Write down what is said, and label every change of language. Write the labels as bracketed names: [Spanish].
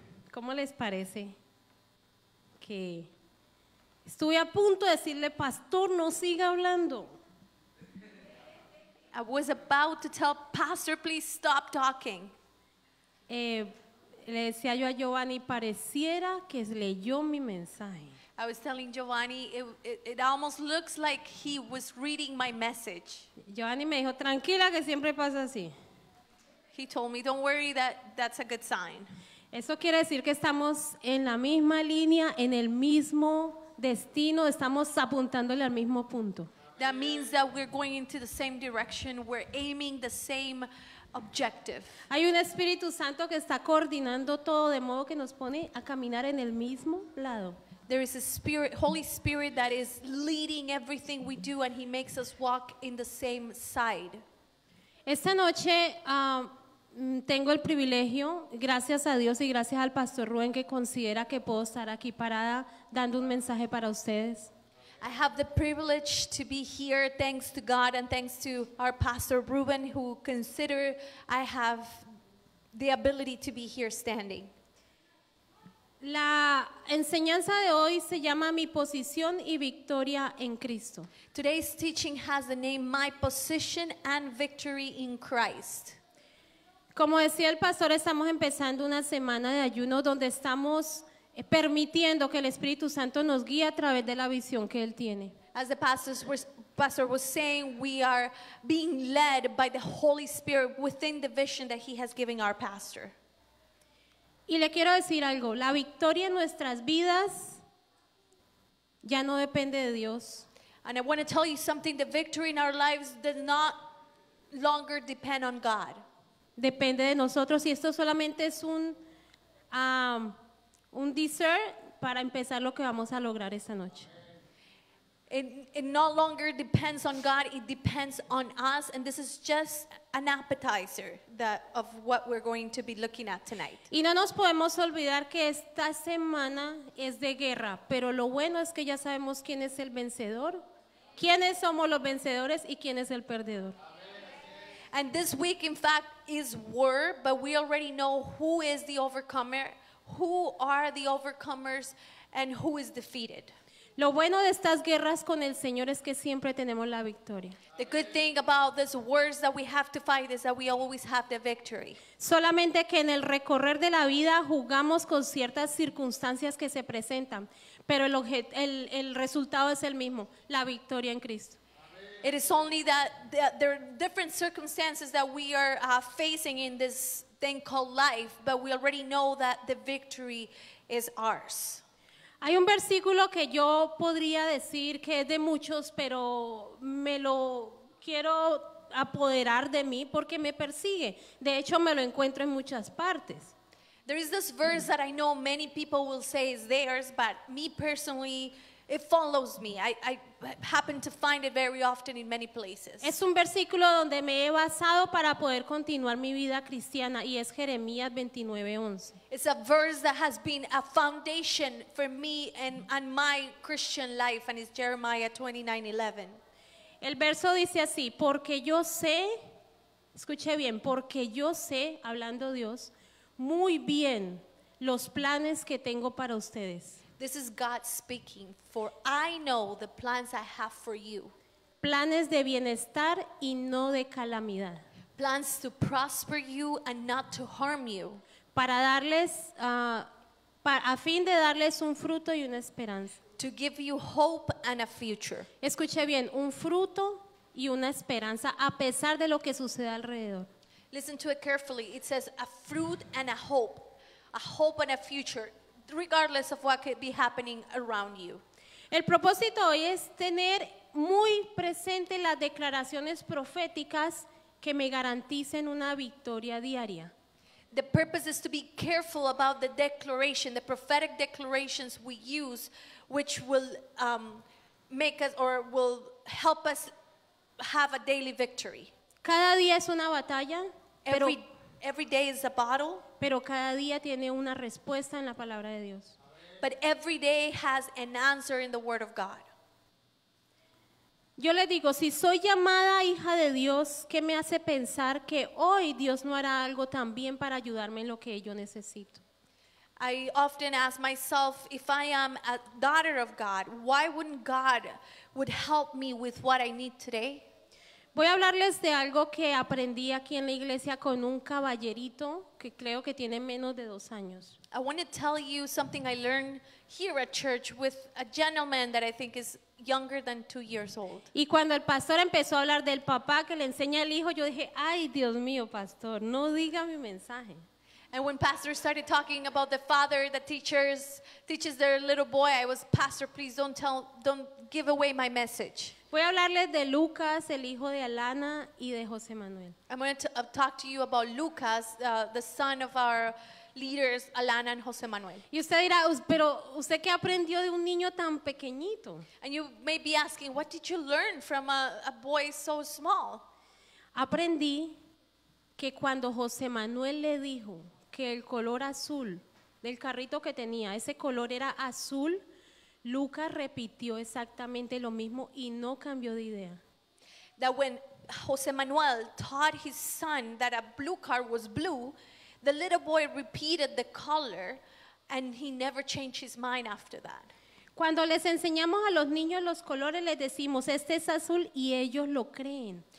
[Spanish] ¿Cómo les parece que estuve a punto de decirle, pastor, no siga hablando? [English] I was about to tell pastor, please stop talking. [Spanish] Le decía yo a Giovanni, pareciera que leyó mi mensaje. [English] I was telling Giovanni, it almost looks like he was reading my message. [Spanish] Giovanni me dijo, tranquila, que siempre pasa así. [English] He told me, don't worry, that's a good sign. [Spanish] Eso quiere decir que estamos en la misma línea, en el mismo destino, estamos apuntándole al mismo punto. [English] That means that we're going into the same direction, we're aiming the same objective. [Spanish] Hay un Espíritu Santo que está coordinando todo de modo que nos pone a caminar en el mismo lado. [English] There is a spirit, Holy Spirit, that is leading everything we do, and He makes us walk in the same side. [Spanish] Esta noche tengo el privilegio, gracias a Dios y gracias al Pastor Rubén, que considera que puedo estar aquí parada dando un mensaje para ustedes. [English] I have the privilege to be here, thanks to God and thanks to our Pastor Ruben, who consider I have the ability to be here standing. [Spanish] La enseñanza de hoy se llama Mi Posición y Victoria en Cristo. [English] Today's teaching has the name My Position and Victory in Christ. [Spanish] Como decía el pastor, estamos empezando una semana de ayuno donde estamos permitiendo que el Espíritu Santo nos guíe a través de la visión que Él tiene. [English] As the pastor was saying, we are being led by the Holy Spirit within the vision that He has given our pastor. [Spanish] Y le quiero decir algo, la victoria en nuestras vidas ya no depende de Dios. [English] And I want to tell you something, the victory in our lives does not longer depend on God. [Spanish] Depende de nosotros, y esto solamente es un dessert para empezar lo que vamos a lograr esta noche. [English] It no longer depends on God, it depends on us, and this is just an appetizer of what we're going to be looking at tonight. [Spanish] Y no nos podemos olvidar que esta semana es de guerra, pero lo bueno es que ya sabemos quién es el vencedor quiénes somos los vencedores y quién es el perdedor. [English] And this week, in fact, is war, but we already know who is the overcomer, who are the overcomers, and who is defeated. [Spanish] Lo bueno de estas guerras con el Señor es que siempre tenemos la victoria. [English] The good thing about these wars that we have to fight is that we always have the victory. [Spanish] Solamente que en el recorrer de la vida jugamos con ciertas circunstancias que se presentan, pero el resultado es el mismo, la victoria en Cristo. [English] It is only that there are different circumstances that we are facing in this thing called life, but we already know that the victory is ours. [Spanish] Hay un versículo que yo podría decir que es de muchos, pero me lo quiero apoderar de mí porque me persigue. De hecho, me lo encuentro en muchas partes. [English] There is this verse that I know many people will say is theirs, but me personally, it follows me. I happen to find it very often in many places. [Spanish] Es un versículo donde me he basado para poder continuar mi vida cristiana y es Jeremías 29:11. [English] It's a verse that has been a foundation for me and my Christian life, and it's Jeremiah 29:11. [Spanish] El verso dice así, porque yo sé, escuche bien, porque yo sé, hablando Dios, muy bien los planes que tengo para ustedes. [English] This is God speaking, for I know the plans I have for you. [Spanish] Planes de bienestar y no de calamidad. [English] Plans to prosper you and not to harm you. [Spanish] Para darles, a fin de darles un fruto y una esperanza. [English] To give you hope and a future. [Spanish] Escuche bien, un fruto y una esperanza a pesar de lo que suceda alrededor. [English] Listen to it carefully. It says a fruit and a hope. A hope and a future. Regardless of what could be happening around you. [Spanish] El propósito hoy es tener muy presente las declaraciones proféticas que me garanticen una victoria diaria. [English] The purpose is to be careful about the declaration, the prophetic declarations we use, which will make us or will help us have a daily victory. [Spanish] Cada día es una batalla, pero [English] every day is a battle. [Spanish] Pero cada día tiene una respuesta en la palabra de Dios. [English] But every day has an answer in the word of God. [Spanish] Yo le digo, si soy llamada hija de Dios, ¿qué me hace pensar que hoy Dios no hará algo también para ayudarme en lo que yo necesito? [English] I often ask myself, if I am a daughter of God, why wouldn't God would help me with what I need today? [Spanish] Voy a hablarles de algo que aprendí aquí en la iglesia con un caballerito que creo que tiene menos de 2 años. [English] I want to tell you something I learned here at church with a gentleman that I think is younger than 2 years old. [Spanish] Y cuando el pastor empezó a hablar del papá que le enseña al hijo, yo dije, ay Dios mío, pastor, no diga mi mensaje. [English] And when pastor started talking about the father that teaches their little boy, I was, pastor, please don't give away my message. [Spanish] Voy a hablarles de Lucas, el hijo de Alana y de José Manuel. [English] I'm going to talk to you about Lucas, the son of our leaders, Alana and José Manuel. [Spanish] Y usted dirá, pero usted qué aprendió de un niño tan pequeñito. [English] And you may be asking, what did you learn from a boy so small? [Spanish] Aprendí que cuando José Manuel le dijo que el color azul del carrito que tenía, ese color era azul, Lucas repitió exactamente lo mismo y no cambió de idea. [English] That when José Manuel taught his son that a blue car was blue, the little boy repeated the color and he never changed his mind after that. [Spanish] Cuando les enseñamos a los niños los colores, les decimos, este es azul y ellos lo creen.